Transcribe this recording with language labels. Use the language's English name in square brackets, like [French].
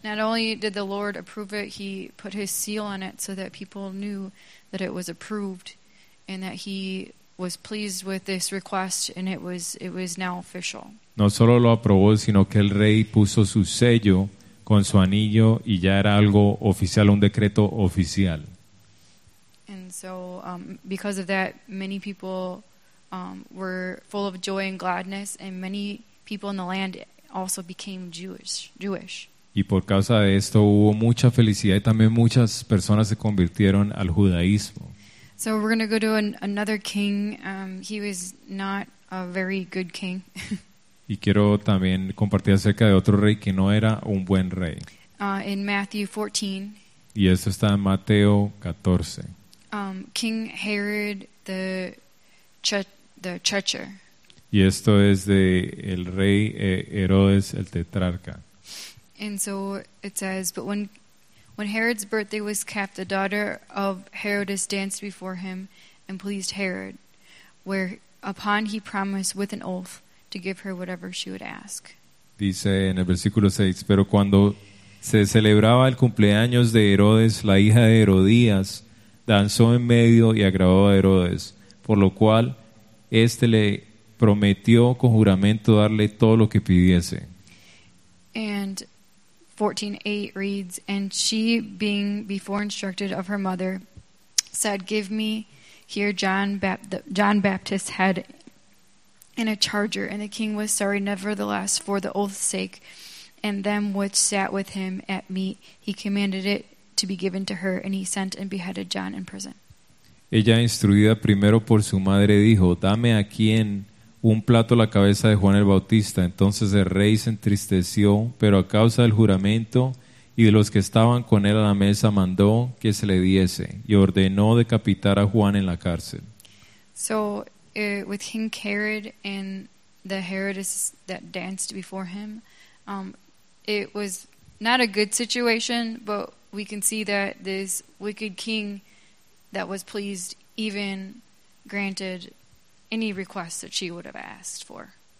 [English] Not only did the Lord approve it, he put his seal on it so that people knew that it was approved and that he was pleased with this request, and it was now official. [Spanish] No solo lo aprobó, sino que el rey puso su sello con su anillo y ya era algo oficial, un decreto oficial. [English] And so because of that, many people were full of joy and gladness, and many people in the land also became Jewish. [Spanish] Y por causa de esto hubo mucha felicidad, y también muchas personas se convirtieron al judaísmo. [English] So we're going to go to another king. He was not a very good king. [Spanish] Y quiero también compartir acerca de otro rey que no era un buen rey. [English] In Matthew 14. [Spanish] Y esto está en Mateo 14. [English] King Herod the Chechar. [Spanish] Y esto es de el rey Herodes el tetrarca. [English] And so it says, but when Herod's birthday was kept, the daughter of Herodias danced before him and pleased Herod, whereupon he promised with an oath to give her whatever she would ask. [Spanish] Dice en el versículo 6, pero cuando se celebraba el cumpleaños de Herodes, la hija de Herodías danzó en medio y agradó a Herodes, por lo cual este le prometió con juramento darle todo lo que pidiese. [English] And 14:8 reads, and she, being before instructed of her mother, said, give me here John Baptist's head in a charger. And the king was sorry nevertheless for the oath's sake, and them which sat with him at meat, he commanded it to be given to her, and he sent and beheaded John in prison. [Spanish] Ella, instruida primero por su madre, dijo: dame aquí en un plato la cabeza de Juan el Bautista. Entonces el rey se entristeció, pero a causa del juramento y de los que estaban con él a la mesa, mandó que se le diese y ordenó decapitar a Juan en la cárcel. [English] So, with King Herod and the Herodias that danced before him, it was not a good situation, but we can see that this wicked king that was pleased even granted any request that she would have asked for.